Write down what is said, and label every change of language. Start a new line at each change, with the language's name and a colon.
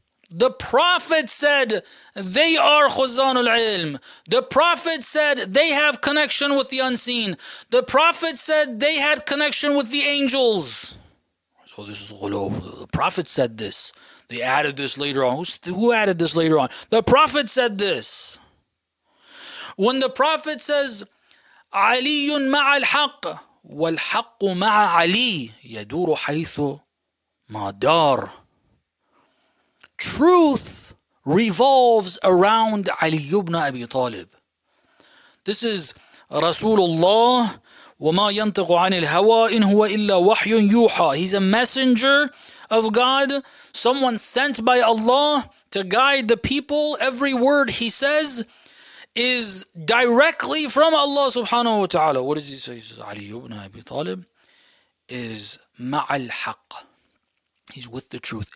English: The Prophet said, they are khuzanul ilm. The Prophet said, they have connection with the unseen. The Prophet said, they had connection with the angels. So this is ghuluw. The Prophet said this. They added this later on. Who added this later on? The Prophet said this. When the Prophet says,
Arabic: عَلِيٌ مَعَ الْحَقِّ وَالْحَقُّ مَعَ عَلِيٍّ يَدُورُ حَيْثُ مَا دَارٍ.
English: Truth revolves around Ali ibn Abi Talib. This is Rasulullah
Arabic: وَمَا يَنْتِقُ عَنِ الْهَوَىٰ إِنْ هُوَ إِلَّا وَحْيٌ يُوحَىٰ.
English: He's a messenger of God, someone sent by Allah to guide the people. Every word he says is directly from Allah subhanahu wa ta'ala. What does he say? He says, Ali ibn Abi Talib is ma'al haqq. He's with the truth.